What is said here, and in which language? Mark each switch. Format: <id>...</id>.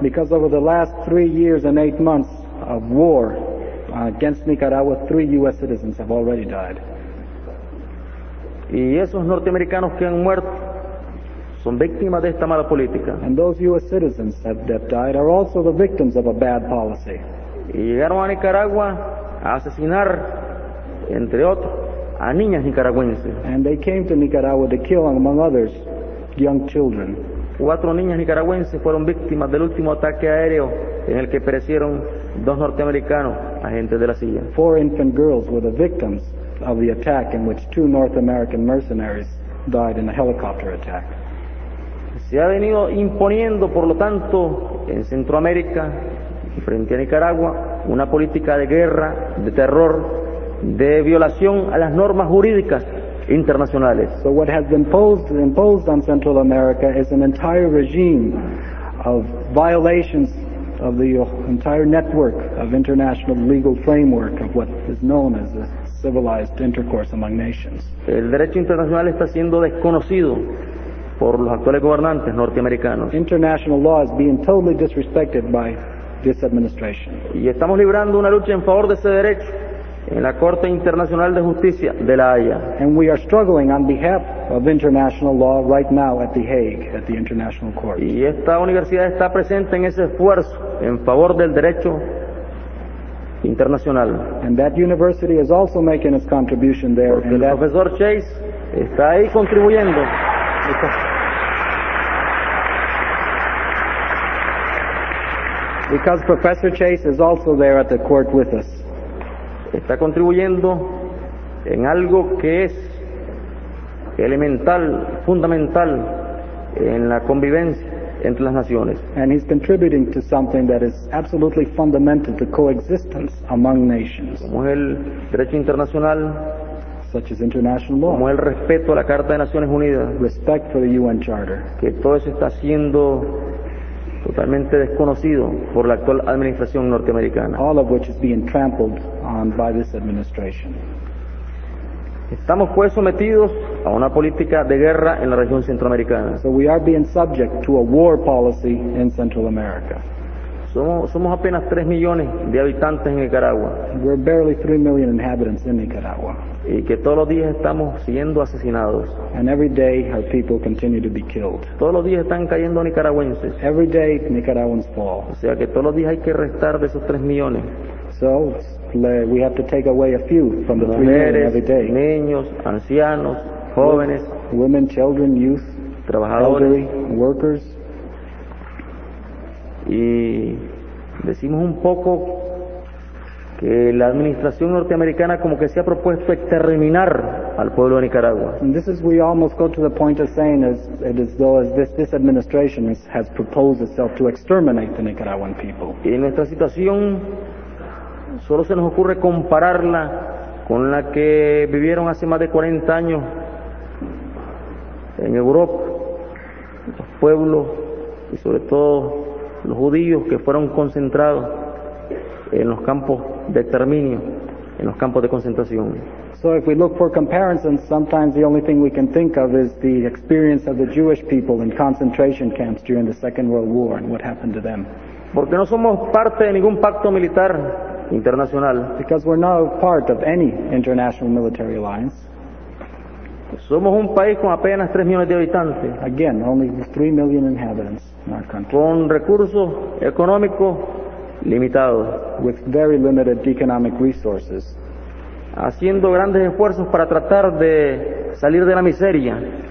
<en>Because over the last 3 years and 8 months of war against Nicaragua, 3 U.S. citizens have already died.</en> <es>Y esos norteamericanos que han muerto son víctimas de esta mala política.</es> <en>And those U.S. citizens that died are also the victims of a bad policy.</en> <es>Y llegaron a Nicaragua a asesinar, entre otros, a niñas nicaragüenses.</es> <en>And they came to Nicaragua to kill, among others, young children.</en> <es>4 niñas nicaragüenses fueron víctimas del último ataque aéreo en el que perecieron 2 norteamericanos, agentes de la CIA.</es> <en>4 infant girls were the victims of the attack in which 2 North American mercenaries died in a helicopter attack.</en> <es>Se ha venido imponiendo, por lo tanto, en Centroamérica, frente a Nicaragua, una política de guerra, de terror, de violación a las normas jurídicas internacionales.</es> <en>So what has been imposed on Central America is an entire regime of violations of the entire network of international legal framework of what is known as the civilized intercourse among nations.</en> <es>El derecho internacional está siendo desconocido por los actuales gobernantes norteamericanos.</es> <en>International law is being totally disrespected by this administration.</en> <es>Y estamos librando una lucha en favor de ese derecho en la Corte Internacional de Justicia de La Haya.</es> <en>And we are struggling on behalf of international law right now at The Hague, at the International Court.</en> <es>Y esta universidad está presente en ese esfuerzo en favor del derecho internacional.</es> <en>And that university is also making its contribution there.</en> <es>Porque el profesor Chase está ahí contribuyendo.</es> <en>Because Professor Chase is also there at the court with us.</en> <es>Está contribuyendo en algo que es elemental, fundamental en la convivencia entre las naciones.</es> <en>And he's contributing to something that is absolutely fundamental to coexistence among nations.</en> <es>Como el derecho internacional,</es> <en>such as international law.</en> <es>Como el respeto a la Carta de Naciones Unidas.</es> <en>Respect for the UN Charter.</en> <es>Que todo eso está siendo totalmente desconocido por la actual administración norteamericana.</es> <en>All of which is being trampled on by this administration.</en> <es>Estamos pues sometidos a una política de guerra en la región centroamericana.</es> <en>So we are being subject to a war policy in Central America.</en> <es>Somos apenas 3 millones de habitantes en Nicaragua.</es> <en>We're barely 3 million inhabitants in Nicaragua.</en> <es>Y que todos los días estamos siendo asesinados.</es> <en>And every day our people continue to be killed.</en> <es>Todos los días están cayendo nicaragüenses.</es> <en>Every day Nicaraguans fall.</en> <es>O sea que todos los días hay que restar de esos 3 millones.</es> <en>So we have to take away a few from the 3 million every day.</en> <es>Niños, ancianos, jóvenes,</es> <en>women, children, youth,</en> <es>trabajadores,</es> <en>elderly, workers.</en> <es>Y decimos un poco que la administración norteamericana como que se ha propuesto exterminar al pueblo de Nicaragua.</es> <en>And this is, we almost go to the point of saying as though this administration has proposed itself to exterminate the Nicaraguan people.</en> <es>Y nuestra situación solo se nos ocurre compararla con la que vivieron hace más de 40 años en Europa, los pueblos y sobre todo los judíos que fueron concentrados en los campos de exterminio, en los campos de concentración.</es> <en>So if we look for comparisons, sometimes the only thing we can think of is the experience of the Jewish people in concentration camps during the Second World War and what happened to them.</en> <es>Porque no somos parte de ningún pacto militar internacional.</es> <en>Because we're not part of any international military alliance.</en> <es>Somos un país con apenas 3 millones de habitantes.</es> <en>Again, only 3 million inhabitants.</en> <es>Con recursos económicos limitados,</es> <en>with very limited economic resources,</en> <es>haciendo grandes esfuerzos para tratar de salir de la miseria,</es>